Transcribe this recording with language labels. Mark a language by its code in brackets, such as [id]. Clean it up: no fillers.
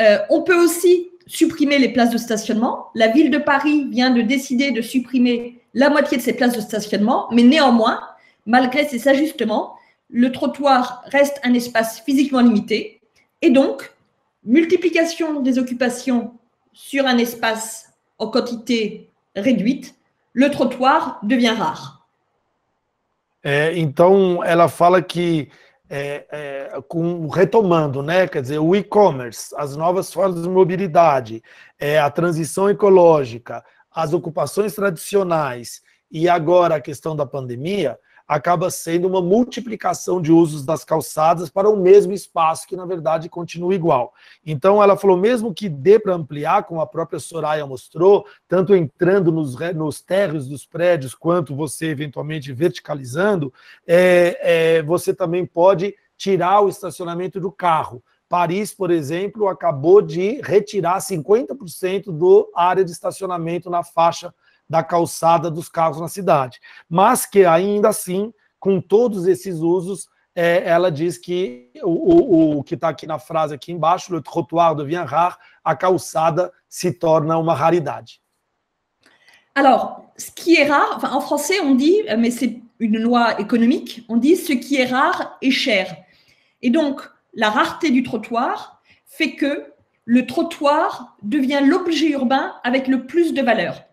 [fr] On peut aussi supprimer les places de stationnement. La ville de Paris vient de décider de supprimer la moitié de ses places de stationnement, mais néanmoins, malgré ces ajustements, le trottoir reste un espace physiquement limité et donc, multiplication des occupations sur un espace en quantité réduite, le trottoir devient rare. [pt] Então, ela fala que, retomando, né, quer dizer, o e-commerce, as novas formas de mobilidade, a transição ecológica, as ocupações tradicionais e agora a questão da pandemia, acaba sendo uma multiplicação de usos das calçadas para o mesmo espaço, que na verdade continua igual. Então ela falou, mesmo que dê para ampliar, como a própria Soraya mostrou, tanto entrando nos térreos dos prédios, quanto você eventualmente verticalizando, você também pode tirar o estacionamento do carro. Paris, por exemplo, acabou de retirar 50% da área de estacionamento na faixa da calçada dos carros na cidade, mas que ainda assim, com todos esses usos, ela diz que o que está aqui na frase aqui embaixo, [fr] le trottoir devient rare, [pt] a calçada se torna uma raridade. [fr] Alors, ce qui est rare, enfin, en français on dit, mais c'est une loi économique, on dit ce qui est rare est cher. Et donc, la rareté du trottoir fait que le trottoir devient l'objet urbain avec le plus de valeur.